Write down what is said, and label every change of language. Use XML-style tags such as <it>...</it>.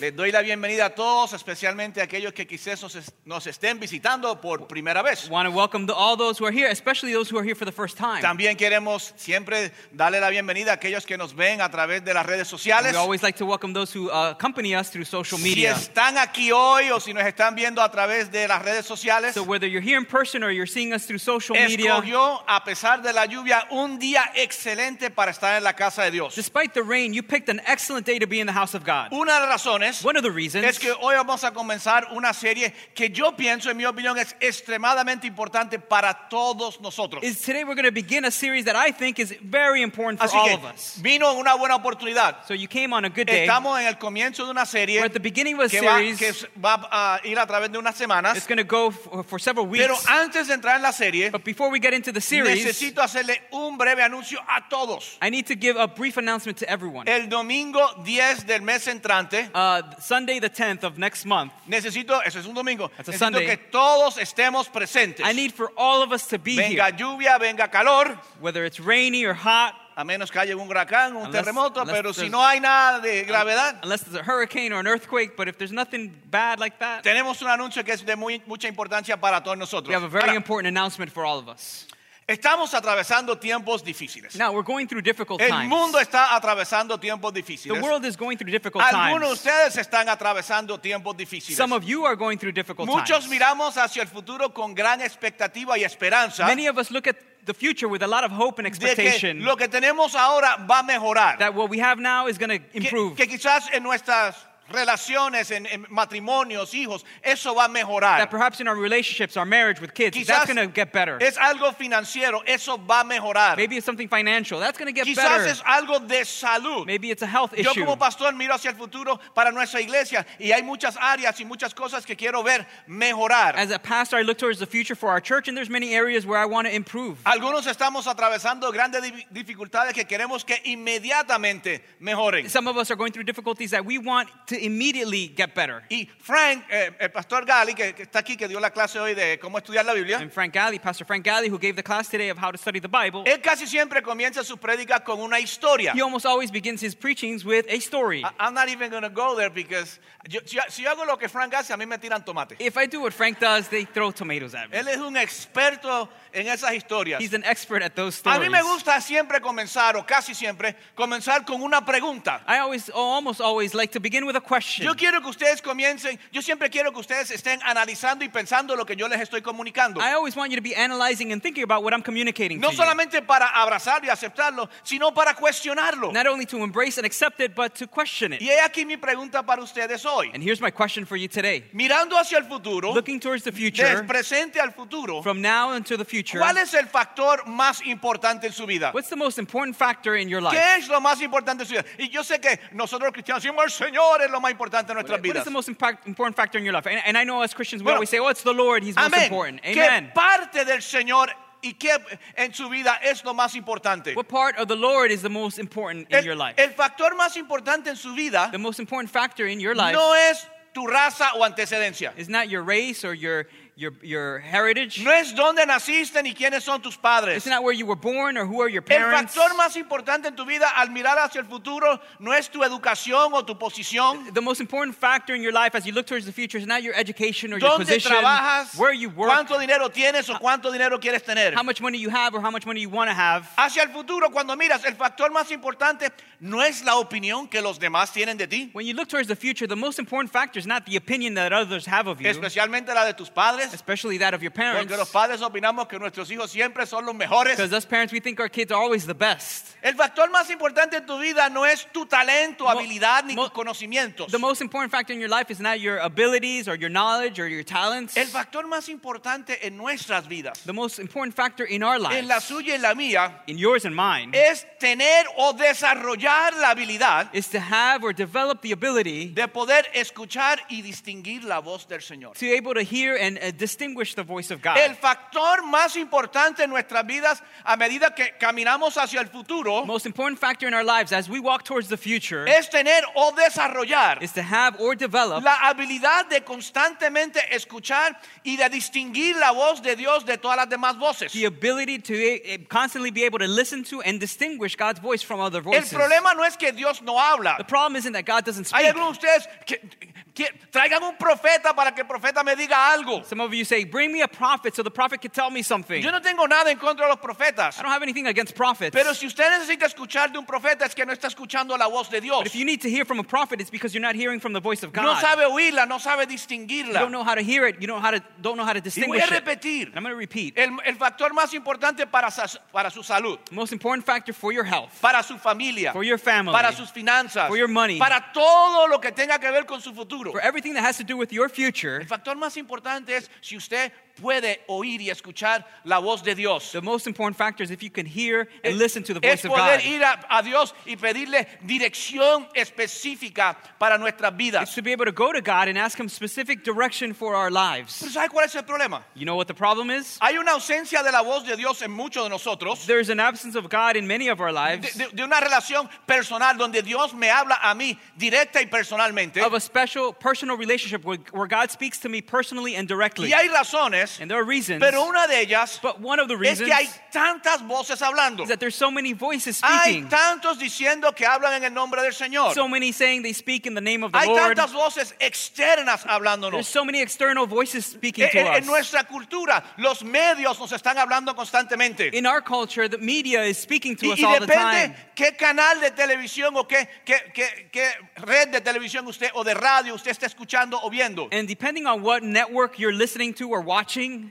<es>Les doy la bienvenida a todos, especialmente aquellos que quizás nos estén visitando por primera vez.</es> <en>We want to welcome all those who are here, especially those who are here for the first time.</en> <es>También queremos siempre darle la bienvenida a aquellos que nos ven a través de las redes sociales.</es> <en>We always like to welcome those who accompany us through social media.</en> <es>Si están aquí hoy o si nos están viendo a través de las redes sociales.</es> <en>So whether you're here in person or you're seeing us through social media.</en> <es>A pesar de la lluvia, un día excelente para estar en la casa de Dios.</es> <en>Despite the rain, you picked an excellent day to be in the house of God.</en> <es>Una de las razones,</es> <en>one of the reasons,</en> <es>es que hoy vamos a comenzar una serie que yo pienso, en mi opinión, es extremadamente importante para todos nosotros.</es> <en>Is today we're going to begin a series that I think is very important for</en> <es>Así que,</es> <en>all of us.</en> <es>Vino una buena oportunidad.</es> <en>So you came on a good day.</en> <es>Estamos en el comienzo de una serie.</es> <en>We're at the beginning of a</en> <es>series que va a ir a través de unas semanas.</es> <en>It's going to go for several weeks.</en> <es>Pero antes de entrar en la serie,</es> <en>but before we get into the series,</en> <es>necesito hacerle un breve anuncio a todos.</es> <en>I need to give a brief announcement to everyone.</en> <es>El domingo 10 del mes entrante,</es> <en>Sunday the 10th of next month,</en> <es>necesito, eso es un domingo,</es> <en>that's a Sunday,</en> <es>necesito que todos estemos presentes.</es> <en>I need for all of us to be</en> <es>venga</es> <en>here.</en> <es>Venga lluvia, venga calor,</es> <en>whether it's rainy or hot,</en> <es>a menos que haya un huracán, un terremoto, pero si no hay nada de gravedad.</es> <en>Unless there's a hurricane or an earthquake, but if there's nothing bad like that.</en> <es>Tenemos un anuncio que es de mucha importancia para todos nosotros.</es> <en>We have a very important announcement for all of us.</en> <es>Estamos atravesando tiempos difíciles.</es> <en>Now we're going through difficult times.</en> <es>El mundo está atravesando tiempos difíciles.</es> <en>The world is going through difficult times.</en> <es>Algunos de ustedes están atravesando tiempos difíciles.</es> <en>Some of you are going through difficult times.</en> <es>Muchos miramos hacia el futuro con gran expectativa y esperanza.</es> <en>Many of us look at the future with a lot of hope and expectation.</en> <es>De que lo que tenemos ahora va a mejorar.</es> <en>That what we have now is going to improve.</en> <es>Que quizás en nuestras relaciones, en matrimonios, hijos, eso va a mejorar.</es> <en>That perhaps in our relationships, our marriage with kids,</en> <es>quizás</es> <en>that's going to get better.</en> <es>Es algo financiero, eso va a mejorar.</es> <en>Maybe it's something financial, that's going to get</en> <es>quizás</es> <en>better.</en> <es>Quizás es algo de salud.</es> <en>Maybe it's a health issue.</en> <es>Yo como pastor miro hacia el futuro para nuestra iglesia y hay muchas áreas y muchas cosas que quiero ver mejorar.</es> <en>As a pastor, I look towards the future for our church and there's many areas where I want to improve.</en> <es>Algunos estamos atravesando grandes dificultades que queremos que inmediatamente mejoren.</es> <en>Some of us are going through difficulties that we want to immediately get better.</en> <es>Y Frank, Pastor Gally, que está aquí, que dio la clase hoy de cómo estudiar la Biblia.</es> <en>And Frank Gally, Pastor Frank Gally, who gave the class today of how to study the Bible.</en> <es>Él casi siempre comienza su prédica con una historia.</es> <en>He almost always begins his preachings with a story. I'm not even going to go there because</en> <es>si yo hago lo que Frank hace, a mí me tiran tomate.</es> <en>If I do what Frank does, they throw tomatoes at me.</en> <es>Él es un experto en esas historias.</es> <en>He's an expert at those stories.</en> <es>A mí me gusta siempre comenzar, o casi siempre, comenzar con una pregunta.</es> <en>I always, almost always, like to begin with a question.</en> <es>Yo quiero que ustedes comiencen, yo siempre quiero que ustedes estén analizando y pensando lo que yo les estoy comunicando.</es> <en>I always want you to be analyzing and thinking about what I'm communicating</en> <es>no</es> <en>to you.</en> <es>No solamente para abrazarlo y aceptarlo, sino para cuestionarlo.</es> <en>Not only to embrace and accept it, but to question it.</en> <es>Y aquí mi pregunta para ustedes hoy.</es> <en>And here's my question for you today.</en> <es>Mirando hacia el futuro.</es> <en>Looking towards the future.</en> <es>Del presente al futuro.</es> <en>From now into the future.</en> <es>¿Cuál es el factor más importante en su vida?</es> <en>What's the most important factor in your life?</en> <es>¿Qué es lo más importante en su vida? Y yo sé que nosotros cristianos decimos, Señor, es lo más importante en nuestras vidas.</es> <en>What is the most important factor in your life? And I know as Christians, we always say, oh, it's the Lord, he's</en> <es>amén.</es> <en>Most important. Amen.</en> <es>¿Qué parte del Señor y qué en su vida es lo más importante?</es> <en>What part of the Lord is the most important in your life?</en> <es>El factor más importante en su vida,</es> <en>the most important factor in your life,</en> <es>no es tu raza o antecedencia.</es> <en>It's not your race or your heritage.</en> <es>No es donde naciste ni quiénes son tus padres.</es> <en>It's not where you were born or who are your parents.</en> <es>El factor más importante en tu vida al mirar hacia el futuro no es tu educación o tu posición.</es> <en>The most important factor in your life as you look towards the future is not your education or</en> <es>¿dónde</es> <en>your position.</en> <es>Trabajas,</es> <en>where you work.</en> <es>¿Cuánto dinero tienes o cuánto dinero quieres tener?</es> <en>How much money you have or how much money you want to have.</en> <es>Hacia el futuro cuando miras, el factor más importante no es la opinión que los demás tienen de ti.</es> <en>When you look towards the future, the most important factor is not the opinion that others have of you.</en> <es>Especialmente la de tus padres.</es> <en>Especially that of your parents.</en> <es>Porque los padres opinamos que nuestros hijos siempre son los mejores.</es> <en>Because as parents, we think our kids are always the best.</en> <es>El factor más importante en tu vida no es tu talento, habilidad, ni tus conocimientos.</es> <en>The most important factor in your life is not your abilities or your knowledge or your talents.</en> <es>El factor más importante en nuestras vidas.</es> <en>The most important factor in our lives.</en> <es>En la suya y en la mía.</es> <en>In yours and mine.</en> <es>Es tener o desarrollar la habilidad.</es> <en>Is to have or develop the ability.</en> <es>De poder escuchar y distinguir la voz del Señor.</es> <en>To be able to hear and distinguish the voice of God.</en> <es>El factor más importante en nuestras vidas a medida que caminamos hacia el futuro,</es> <en>most important factor in our lives as we walk towards the future,</en> <es>es tener o desarrollar,</es> <en>is to have or develop,</en> <es>la habilidad de constantemente escuchar y de distinguir la voz de Dios de todas las demás voces.</es> <en>The ability to constantly be able to listen to and distinguish God's voice from other voices.</en> <es>El problema no es que Dios no habla.</es> <en>The problem isn't that God doesn't speak.</en> <es>Hay algunos de ustedes que traigan un profeta para que el profeta me diga algo.</es> <en>Some of you say, bring me a prophet so the prophet can tell me something.</en> <es>Yo no tengo nada en contra de los profetas.</es> <en>I don't have anything against prophets.</en> <es>Pero si usted necesita escuchar de un profeta, es que no está escuchando la voz de Dios.</es> <en>But if you need to hear from a prophet, it's because you're not hearing from the voice of God.</en> <es>No sabe oírla, no sabe distinguirla.</es> <en>You don't know how to hear it. You don't know how to distinguish it.</en> <es>Y voy a repetir.</es> <en>I'm going to repeat.</en> <es>El factor más importante para su salud.</es> <en>The most important factor for your health.</en> <es>Para su familia.</es> <en>For your family.</en> <es>Para sus finanzas.</es> <en>For your money.</en> <es>Para todo lo que tenga que ver con su futuro.</es> <en>For everything that has to do with your future.</en> <es>El factor más importante es si usted puede oír y escuchar la voz de Dios.</es> <en>The most important factor is if you can hear and listen to the voice of God.</en> <es>Es poder ir a Dios y pedirle dirección específica para nuestras vidas.</es> <en>It's to be able to go to God and ask Him specific direction for our lives.</en> <es>¿Pero sabes cuál es el problema?</es> <en>You know what the problem is?</en> <es>Hay una ausencia de la voz de Dios en muchos de nosotros.</es> <en>There is an absence of God in many of our lives.</en> <es>De una relación personal donde Dios me habla a mí directa y personalmente.</es> <en>Of a special personal relationship where God speaks to me personally and directly.</en> <es>Y hay razones.</es> <en>And there are reasons.</en> <es>Pero una de ellas,</es> <en>but one of the reasons,</en> <es>es que hay tantas voces hablando.</es> <en>Is that there's so many voices speaking.</en> <es>Hay tantos diciendo que hablan en el nombre del Señor.</es> <en>So many saying they speak in the name of the</en> <es>hay</es> <en>Lord.</en> <es>Hay tantas voces externas hablándonos.</es> <en>There's so many external voices speaking to</en> <es>en</es> <en>us.</en> <es>En nuestra cultura, los medios nos están hablando constantemente.</es> <en>In our culture, the media is speaking to</en> <es>y</es> <en>us all the time.</en> <es>Y depende qué canal de televisión o qué red de televisión usted o de radio usted está escuchando o viendo.</es> <en>And depending on what network you're listening to or watching.</en>